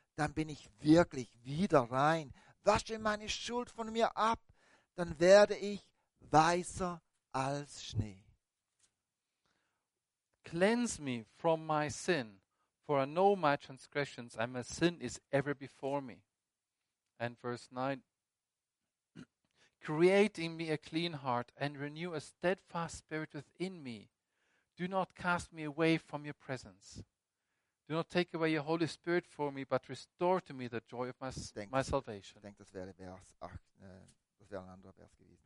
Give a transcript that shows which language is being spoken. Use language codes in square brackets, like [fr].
[de] Dann bin ich wirklich wieder rein. Wasche meine Schuld von mir ab, dann werde ich weißer als Schnee. [en] Cleanse me from my sin, for I know my transgressions, and my sin is ever before me. And verse 9, create in me a clean heart, and renew a steadfast spirit within me. Do not cast me away from your presence. Do not take away your Holy Spirit from me, but restore to me the joy of my salvation. [de] Ich denke, das wäre Vers 8, das wäre ein anderer Vers gewesen.